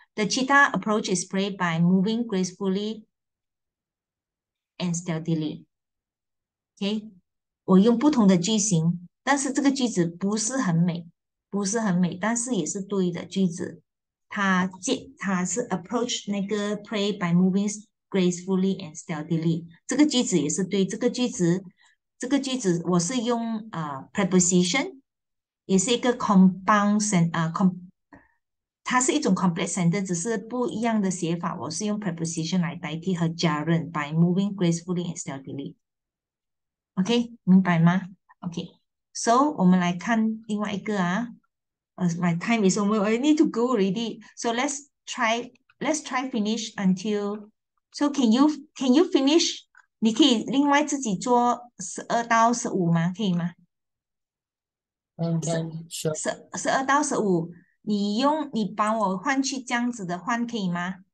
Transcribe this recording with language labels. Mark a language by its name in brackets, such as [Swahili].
[English] The cheetah approaches prey by moving gracefully and stealthily. [Chinese] OK，我用不同的句型，但是这个句子不是很美，但是也是对的句子。 [English] 它是 approach 那个 prey by moving gracefully and stealthily。 [Chinese] 这个句子也是对。这个句子我是用preposition，也是一个 compound sentence 它是一种 complex sentence，只是不一样的写法。我是用 preposition 来代替和加 [English] run by moving gracefully and stealthily。 [Chinese] OK，明白吗？OK， [English] So, [Chinese] 我们来看另外一个, [English] my time is almost, I need to go already. So let's try finish until, so can you finish? [Chinese] 你可以另外自己做12到15吗? 可以吗? [English] And then, sure. [Chinese] 12到15, 你帮我换去这样子的换, 可以吗?